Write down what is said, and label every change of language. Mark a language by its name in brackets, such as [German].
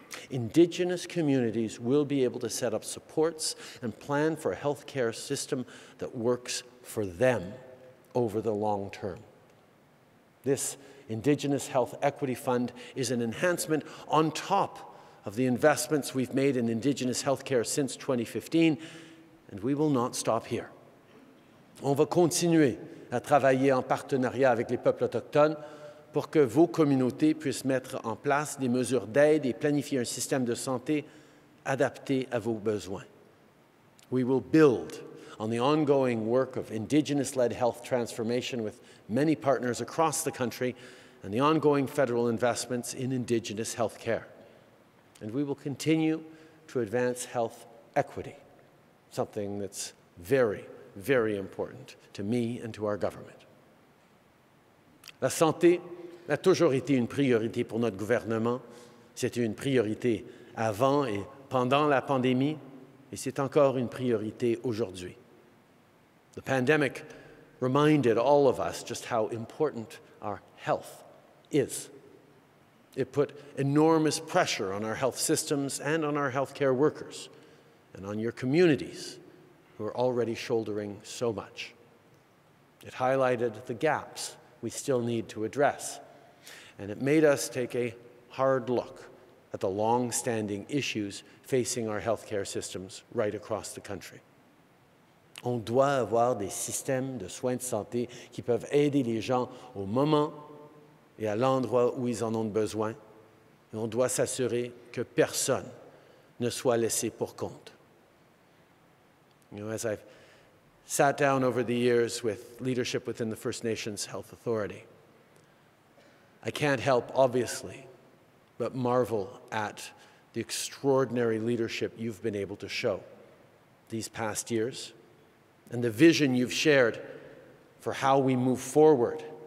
[English] Indigenous communities will be able to set up supports and plan for a healthcare system that works for them over the long term. This Indigenous Health Equity Fund is an enhancement on top of the investments we've made in Indigenous healthcare since 2015, and we will not stop here. [French] On va continuer à travailler en partenariat avec les peuples autochtones pour que vos communautés puissent mettre en place des mesures d'aide et planifier un système de santé adapté à vos besoins. [English] We will build on the ongoing work of Indigenous-led health transformation with many partners across the country and the ongoing federal investments in Indigenous health care. And we will continue to advance health equity, something that's very, very important to me and to our government. [French] La santé a toujours été une priorité pour notre gouvernement. C'était une priorité avant et pendant la pandémie, et c'est encore une priorité aujourd'hui. [English] The pandemic reminded all of us just how important our health is. It put enormous pressure on our health systems and on our healthcare workers and on your communities, who are already shouldering so much. It highlighted the gaps we still need to address, and it made us take a hard look at the long-standing issues facing our healthcare systems right across the country. [French] On doit avoir des systèmes de soins de santé qui peuvent aider les gens au moment et à l'endroit où ils en ont besoin, et on doit s'assurer que personne ne soit laissé pour compte. [English] You know, as I've sat down over the years with leadership within the First Nations Health Authority, I can't help, obviously, but marvel at the extraordinary leadership you've been able to show these past years and the vision you've shared for how we move forward